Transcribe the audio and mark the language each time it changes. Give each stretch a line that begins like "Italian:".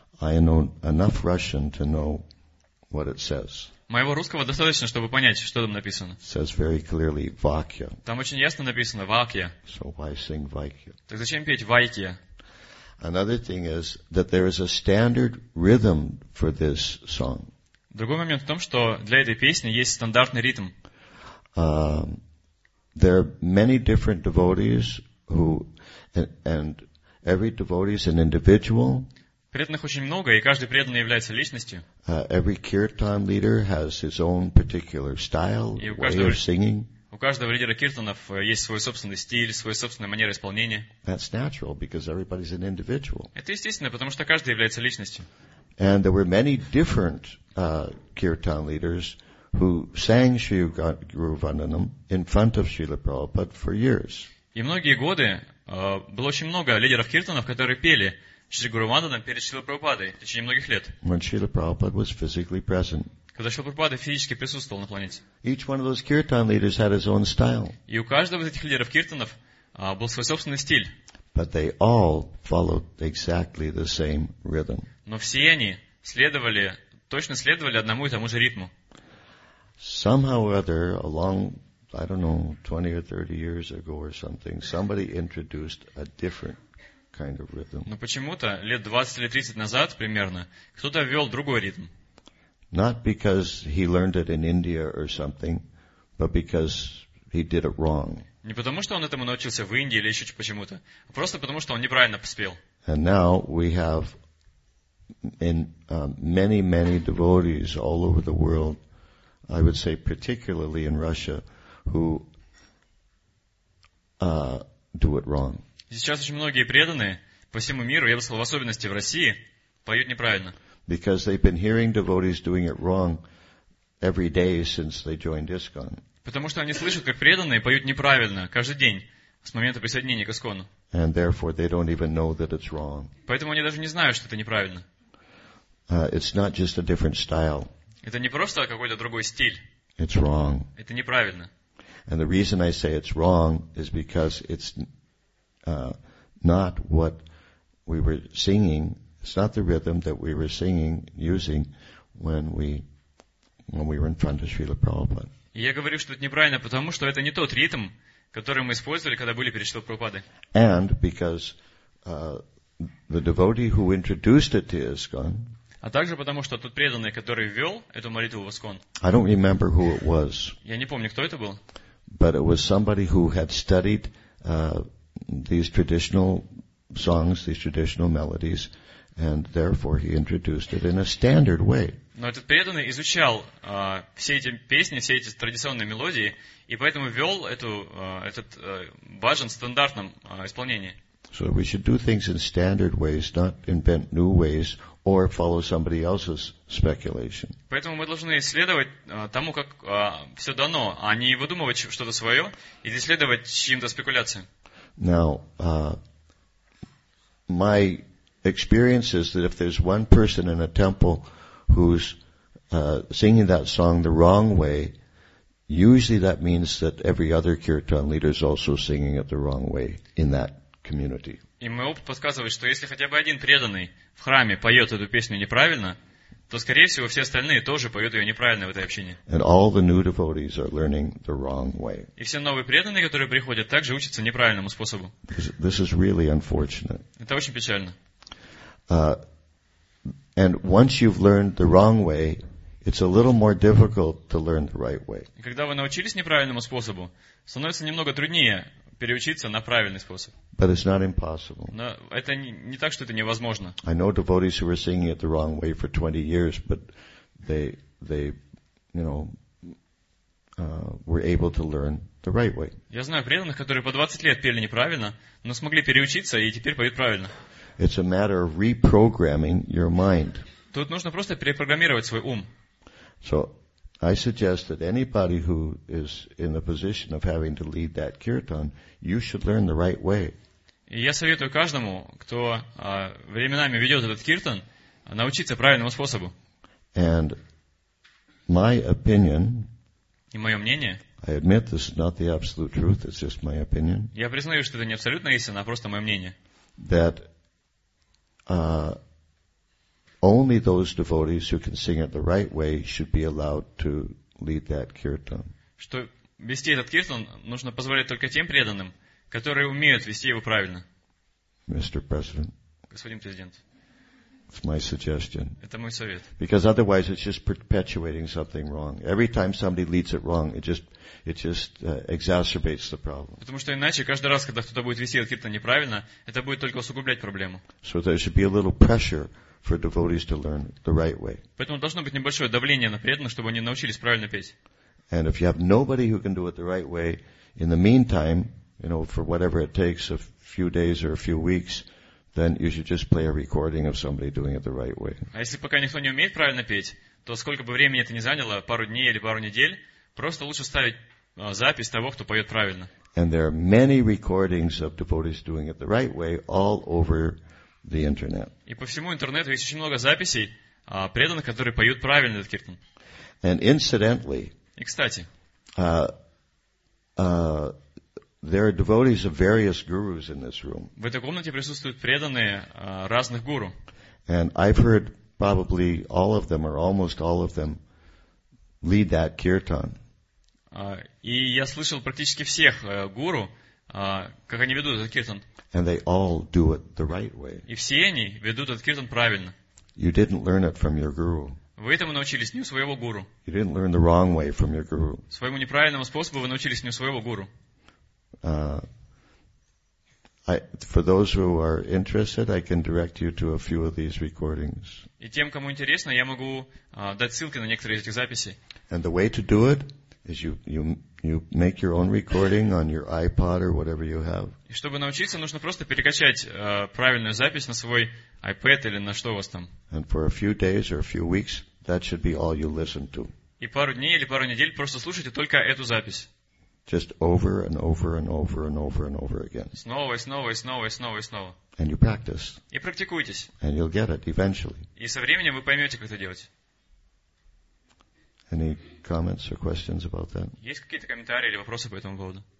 English: I know enough Russian to know what it says.
Russian: Моего русского достаточно, чтобы понять, что там написано.
English: Says very clearly, Vakya.
Russian: Там очень ясно написано Vakya.
English: So why sing Vakya?
Russian: Так зачем петь Vakya?
English: Another thing is that there is a standard rhythm for this song.
Russian: Другой момент в том, что для этой песни есть стандартный ритм.
English: There are many different devotees who and every devotee is an individual.
Russian: Преданных очень много, и каждый преданный является личностью.
English: Every kirtan leader has his own particular style, way of singing.
Russian: У каждого лидера киртанов есть свой собственный стиль, своя собственная манера исполнения.
English: That's natural because everybody's an individual.
Russian: Это естественно, потому что каждый является личностью.
English: And there were many different kirtan leaders who sang Sri Guru Vandanam in front of Srila Prabhupada for years.
Russian: И многие годы было очень много лидеров киртанов, которые пели Шри Гуру Ванданам перед Шрила Прабхупадой в течение многих лет.
English: When Srila Prabhupada was physically present.
Russian: Когда Шрила Прабхупада физически присутствовал на планете.
English: Each one of those kirtan leaders had his own style.
Russian: И у каждого из этих лидеров киртанов был свой собственный стиль.
English: But they all followed exactly the same rhythm.
Russian: Но все они точно следовали одному и тому же ритму.
English: Somehow or other, along, I don't know, 20 or 30 years ago or something, somebody introduced a different kind of rhythm.
Russian: Но почему-то лет 20 или 30 назад примерно кто-то ввел другой ритм.
English: Not because he learned it in India or something, but because he did it wrong.
Russian: Не потому что он этому научился в Индии или еще почему-то, а просто потому что он неправильно поспел.
English: And now we have in many, many devotees all over the world. I would say particularly in Russia, who do it wrong.
Russian: Сейчас очень многие преданные по всему миру, я бы сказал, в особенности в России, поют неправильно.
English: Because they've been hearing devotees doing it wrong every day since they joined ISKCON.
Russian: Потому что они слышат, как преданные поют неправильно каждый день с момента присоединения к ISKCON.
English: And therefore they don't even know that it's wrong.
Russian: Поэтому они даже не знают, что это неправильно.
English: It's not just a different style.
Russian: Это не просто какой-то другой стиль.
English: It's wrong.
Russian: Это неправильно.
English: And the reason I say it's wrong is because it's not what we were singing. It's not the rhythm that we were singing using when we were in front of Srila Prabhupada.
Russian: Я говорю, что это неправильно, потому что это не тот ритм, который мы использовали, когда были перед Шрилой Прабхупадой.
English: And because the devotee who introduced it to ISKCON.
Russian: А также потому, что тот преданный, который ввел эту молитву в ISKCON.
English: I don't remember who it was.
Russian: Я не помню, кто это был.
English: But it was somebody who had studied these traditional songs, these traditional melodies, and therefore he introduced it in a standard way.
Russian: Но этот преданный изучал все эти песни, все эти традиционные мелодии, и поэтому ввел этот баджан в стандартном исполнении.
English: So we should do things in standard ways, not invent new ways or follow somebody else's speculation.
Russian: Поэтому мы должны следовать тому, как все дано, а не выдумывать что-то свое и не следовать чьим-то спекуляциям.
English: Now, my experience is that if there's one person in a temple who's singing that song the wrong way, usually that means that every other kirtan leader is also singing it the wrong way in that community.
Russian: И мой опыт подсказывает, что если хотя бы один преданный в храме поет эту песню неправильно, то, скорее всего, все остальные тоже поют ее неправильно в этой общине.
English: And all the new devotees are learning the wrong way.
Russian: И все новые преданные, которые приходят, также учатся неправильному способу.
English: This is really unfortunate.
Russian: Это очень печально.
English: And once you've learned the wrong way, it's a little more difficult to learn the right way.
Russian: И когда вы научились неправильному способу, становится немного труднее переучиться на правильный способ.
English: But it's not impossible.
Russian: Но это не так, что это невозможно.
English: I know devotees who were singing it the wrong way for 20 years, but they were able to learn the right way.
Russian: Я знаю преданных, которые по 20 лет пели неправильно, но смогли переучиться и теперь поют правильно.
English: It's a matter of reprogramming your mind.
Russian: Тут нужно просто перепрограммировать свой ум.
English: So I suggest that anybody who is in the position of having to lead that kirtan, you should learn the right way.
Russian: И я советую каждому, кто временами ведет этот киртан, научиться правильному способу.
English: And my opinion.
Russian: И мое мнение.
English: I admit this is not the absolute truth. It's just my opinion.
Russian: Я признаю, что это не абсолютная истина, а просто мое мнение.
English: That Only those devotees who can sing it the right way should be allowed to lead that kirtan.
Russian: Что вести этот киртан нужно позволить только тем преданным, которые умеют вести его правильно.
English: Mr. President.
Russian: Господин президент.
English: It's my suggestion.
Russian: Это мой совет.
English: Because otherwise it's just perpetuating something wrong. Every time somebody leads it wrong, it just exacerbates the problem.
Russian: Потому что иначе каждый раз, когда кто-то будет вести киртан неправильно, это будет только усугублять проблему.
English: So there should be a little pressure for devotees to learn the right way.
Russian: Поэтому должно быть небольшое давление на преданных, чтобы они научились правильно петь.
English: And if you have nobody who can do it the right way, in the meantime, you know, for whatever it takes, a few days or a few weeks, then you should just play a recording of somebody doing it the right way.
Russian: А если пока никто не умеет правильно петь, то сколько бы времени это ни заняло, пару дней или пару недель, просто лучше ставить запись того, кто поет правильно.
English: And there are many recordings of devotees doing it the right way all over the internet.
Russian: И по всему интернету есть очень много записей преданных, которые поют правильно этот киртан.
English: And incidentally,
Russian: и кстати,
English: there are devotees of various gurus in this room.
Russian: В этой комнате присутствуют преданные разных гуру.
English: And I've heard probably all of them or almost all of them lead that kirtan.
Russian: И я слышал практически всех гуру, как они ведут этот киртан.
English: And they all do it the right way.
Russian: И все они ведут этот киртан правильно.
English: You didn't learn it from your guru.
Russian: Вы этому научились не у своего гуру.
English: You didn't learn the wrong way from your guru.
Russian: Своему неправильному способу вы научились не у своего гуру.
English: For those who are interested, I can direct you to a few of these recordings.
Russian: И тем, кому интересно, я могу дать ссылки на некоторые из этих записей.
English: And the way to do it is you make your own recording on your iPod or whatever you have.
Russian: И чтобы научиться, нужно просто перекачать правильную запись на свой iPad или на что у вас там.
English: And for a few days or a few weeks, that should be all you listen to.
Russian: И пару дней или пару недель просто слушайте только эту запись.
English: Just over and over and over and over and over again.
Russian: Снова и снова и снова и снова и снова.
English: And you practice.
Russian: И практикуйтесь.
English: And you'll get it eventually.
Russian: И со временем вы поймете, как это делать.
English: Any comments or questions about that?
Russian: Есть какие-то комментарии или вопросы по этому поводу?